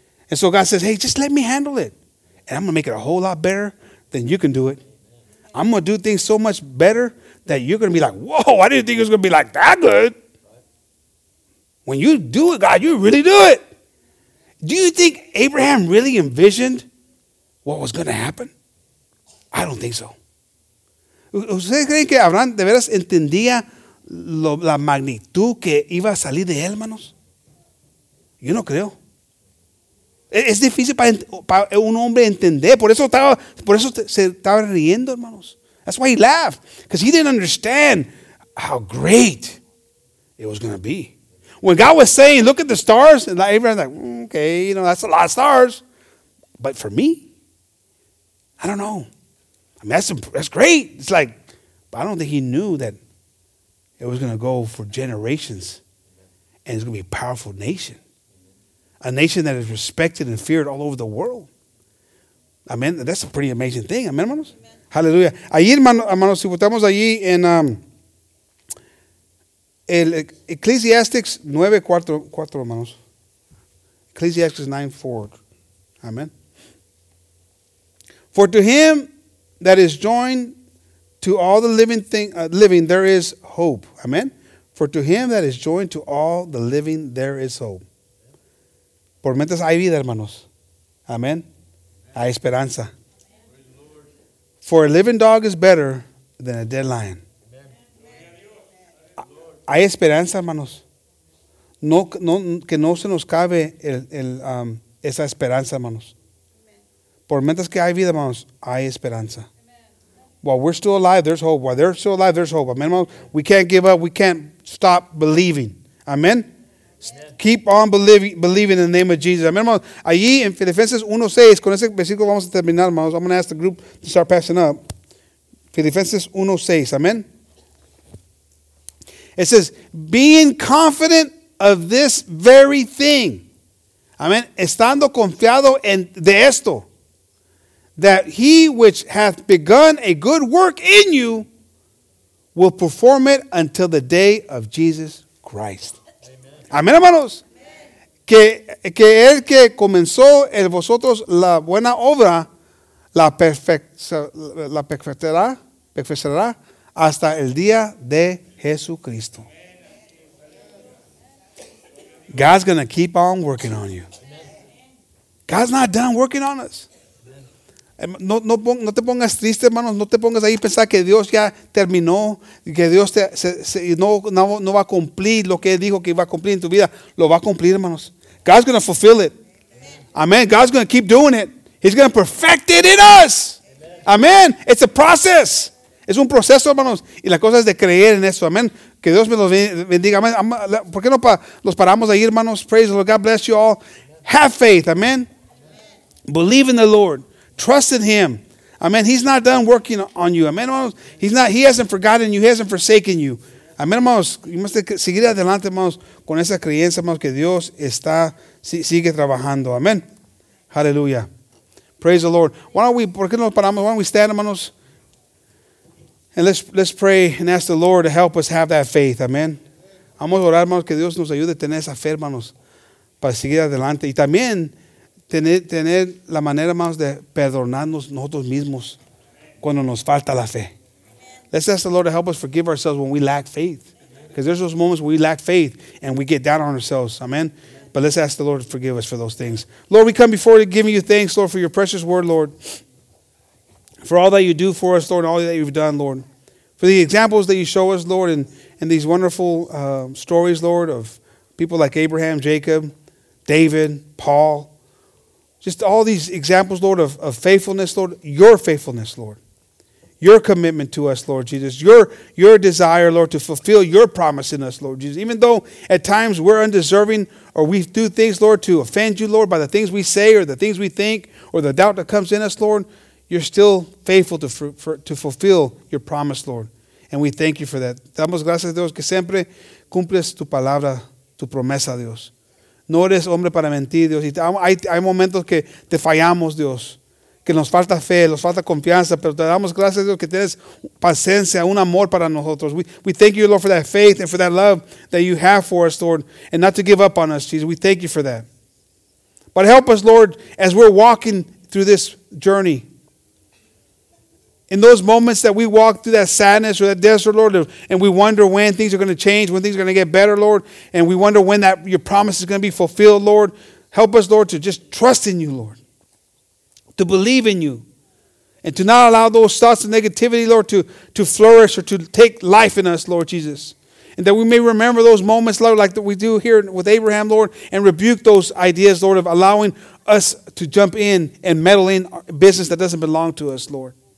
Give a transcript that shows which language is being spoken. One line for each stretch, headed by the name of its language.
English: And so God says, hey, just let me handle it. And I'm going to make it a whole lot better than you can do it. I'm going to do things so much better that you're going to be like, whoa, I didn't think it was going to be like that good. When you do it, God, you really do it. Do you think Abraham really envisioned what was going to happen? I don't think so.
Spanish: ¿Ustedes creen que Abraham de veras entendía la magnitud que iba a salir de él, hermanos? Yo no creo. Es difícil para un hombre entender. Por eso estaba riendo, hermanos.
English: That's why he laughed. Because he didn't understand how great it was going to be. When God was saying, look at the stars, and Abraham's like, okay, you know, that's a lot of stars. But for me, I don't know. I mean, that's great. It's like, but I don't think he knew that it was going to go for generations and it's going to be a powerful nation. A nation that is respected and feared all over the world. I mean, that's a pretty amazing thing. Amen, hermanos? Amen. Hallelujah.
Spanish: Ahí, hermanos, si votamos allí en el Ecclesiastes 9:4, hermanos. Ecclesiastes 9:4. Amen.
English: For to him that is joined to all the living thing living, there is hope. Amen. For to him that is joined to all the living, there is hope.
Spanish: Por mientras hay vida, hermanos. Amen. Hay esperanza.
English: For a living dog is better than a dead lion.
Spanish: Hay esperanza, hermanos. No, que no se nos cabe esa esperanza, hermanos. Por mientras que hay vida, hermanos, hay esperanza.
English: While we're still alive, there's hope. While they're still alive, there's hope. Amen, hermanos. We can't give up. We can't stop believing. Amen. Keep on believing in the name of Jesus.
Spanish: Amen, hermanos. Allí en Filipenses 1:6, con ese versículo vamos a terminar, hermanos.
English: I'm going to ask the group to start passing up. Filipenses 1:6, amen. It says, being confident of this very thing. Amen.
Spanish: Estando confiado en de esto.
English: That he which hath begun a good work in you will perform it until the day of Jesus Christ.
Spanish: Amén, hermanos. Que el que comenzó en vosotros la buena obra, la perfeccionará hasta el día de Jesucristo.
English: God's going to keep on working on you. God's not done working on us.
Spanish: No te pongas triste, hermanos. No te pongas ahí pensar que Dios ya terminó, que Dios no va a cumplir lo que dijo que iba a cumplir en tu vida. Lo va a cumplir, hermanos.
English: God's going to fulfill it.
Spanish: Amen.
English: God's going to keep doing it. He's going to perfect it in us. Amen. It's a process.
Spanish: Es un proceso, hermanos. Y la cosa es de creer en eso.
English: Amen.
Spanish: Que Dios me los bendiga.
English: Amen.
Spanish: ¿Por qué no los paramos ahí, hermanos?
English: Praise the Lord. God bless you all. Have faith. Amen. Believe in the Lord. Trust in him. Amen. He's not done working on you. Amen, hermanos. He hasn't forgotten you. He hasn't forsaken you.
Spanish: Amen, hermanos.
English: You must
Spanish: seguir adelante, hermanos, con esa creencia, hermanos, que Dios está, sigue trabajando. Amen. Hallelujah.
English: Praise the Lord. Why don't we stand, hermanos? And let's pray and ask the Lord to help us have that faith. Amen.
Spanish: Vamos a orar, hermanos, que Dios nos ayude a tener esa fe, hermanos, para seguir adelante. Y también tener la manera, hermanos, de perdonarnos nosotros mismos cuando nos falta la fe.
English: Let's ask the Lord to help us forgive ourselves when we lack faith. Because there's those moments where we lack faith and we get down on ourselves. Amen. But let's ask the Lord to forgive us for those things. Lord, we come before you giving you thanks, Lord, for your precious word, Lord. For all that you do for us, Lord, and all that you've done, Lord. For the examples that you show us, Lord, and these wonderful stories, Lord, of people like Abraham, Jacob, David, Paul. Just all these examples, Lord, of faithfulness, Lord. Your faithfulness, Lord. Your commitment to us, Lord Jesus. Your desire, Lord, to fulfill your promise in us, Lord Jesus. Even though at times we're undeserving or we do things, Lord, to offend you, Lord, by the things we say or the things we think or the doubt that comes in us, Lord, you're still faithful to fulfill your promise, Lord. And we thank you for that.
Spanish: Damos gracias a Dios que siempre cumples tu palabra, tu promesa, Dios. No eres hombre para mentir, Dios. Y hay momentos que te fallamos, Dios. Que nos falta fe, nos falta confianza. Pero te damos gracias, Dios, que tienes paciencia, un amor para nosotros.
English: We thank you, Lord, for that faith and for that love that you have for us, Lord. And not to give up on us, Jesus. We thank you for that. But help us, Lord, as we're walking through this journey. In those moments that we walk through that sadness or that desert, Lord, and we wonder when things are going to change, when things are going to get better, Lord, and we wonder when that your promise is going to be fulfilled, Lord, help us, Lord, to just trust in you, Lord, to believe in you, and to not allow those thoughts of negativity, Lord, to flourish or to take life in us, Lord Jesus, and that we may remember those moments, Lord, like that we do here with Abraham, Lord, and rebuke those ideas, Lord, of allowing us to jump in and meddle in business that doesn't belong to us, Lord.